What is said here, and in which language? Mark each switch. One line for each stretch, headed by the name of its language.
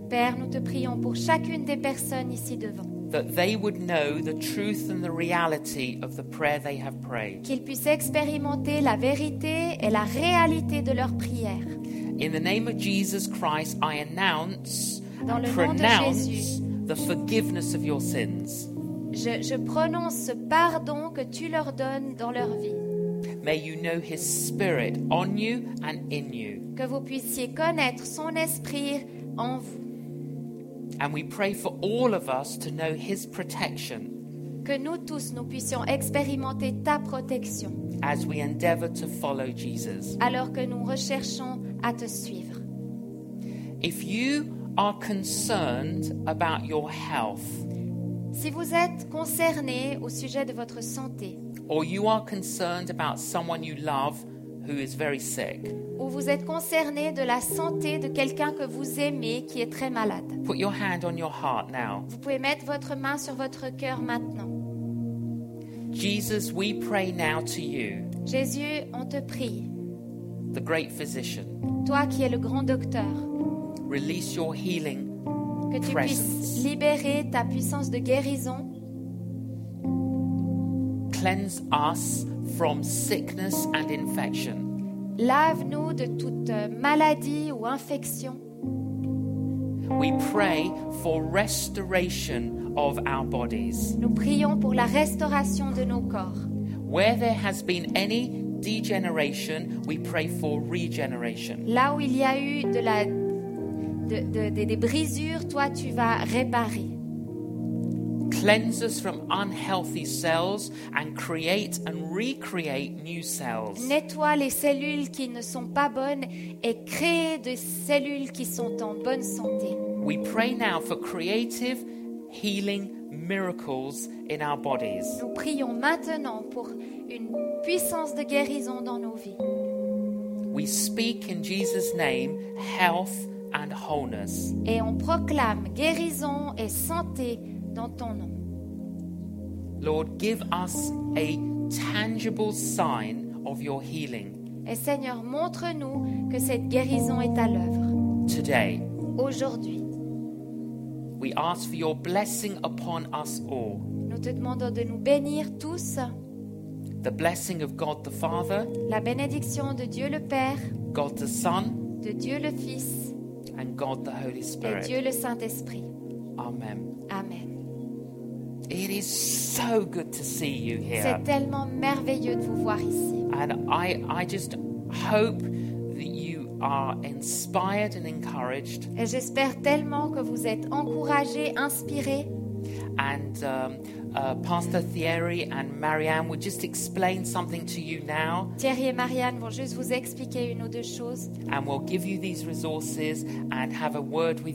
French: Père, nous te prions pour chacune des personnes ici devant.
English: That they would know the truth and the reality of the prayer they have prayed.
French: Qu'ils puissent expérimenter la vérité et la réalité de leur prière.
English: In the name of Jesus Christ, I announce and pronounce
French: Jésus,
English: the forgiveness of your sins.
French: Je prononce ce pardon que tu leur donnes dans leur vie.
English: May you know his spirit on you and in you.
French: Que vous puissiez connaître son esprit en vous.
English: And we pray for all of us to know his protection.
French: Que nous tous nous puissions expérimenter ta protection.
English: As we endeavor to follow Jesus.
French: Alors que nous recherchons à te suivre.
English: If you are concerned about your health.
French: Si vous êtes concerné au sujet de votre santé.
English: Or you are concerned about someone you love who is very sick.
French: Ou vous êtes concerné de la santé de quelqu'un que vous aimez qui est très malade.
English: Put your hand on your heart now.
French: Vous pouvez mettre votre main sur votre cœur maintenant.
English: Jesus, we pray now to you.
French: Jésus, on te prie.
English: The great physician.
French: Toi qui es le grand docteur.
English: Release your healing.
French: Que tu
English: presence.
French: Puisses libérer ta puissance de guérison.
English: Cleanse us from sickness and infection.
French: Lave-nous de toute maladie ou infection.
English: We pray for restoration of our bodies.
French: Nous prions pour la restauration de nos corps.
English: Where there has been any degeneration, we pray for regeneration.
French: Là où il y a eu des brisures, toi tu vas réparer.
English: cleanse us from unhealthy cells and create and recreate new cells.
French: Nettoie les cellules qui ne sont pas bonnes et crée des cellules qui sont en bonne santé.
English: We pray now for creative healing miracles in our bodies.
French: Nous prions maintenant pour une puissance de guérison dans nos vies.
English: We speak in Jesus' name health and wholeness.
French: Et on proclame guérison et santé dans ton nom.
English: Lord, give us a tangible sign of your healing.
French: Et Seigneur, montre-nous que cette guérison est à l'œuvre.
English: Today.
French: Aujourd'hui.
English: We ask for your blessing upon us all.
French: Nous te demandons de nous bénir tous.
English: The blessing of God the Father.
French: La bénédiction de Dieu le Père.
English: God the Son.
French: De Dieu le Fils.
English: And God the Holy Spirit.
French: Et Dieu le Saint-Esprit.
English: Amen.
French: Amen.
English: It is so good to see you here.
French: C'est tellement merveilleux de vous voir ici.
English: And I just hope that you are inspired and encouraged.
French: Et j'espère tellement que vous êtes encouragés, inspirés.
English: And Pastor Thierry and Marianne will just explain something to you now.
French: Thierry et Marianne vont juste vous expliquer une ou deux choses.
English: And we'll give you these resources and have a word with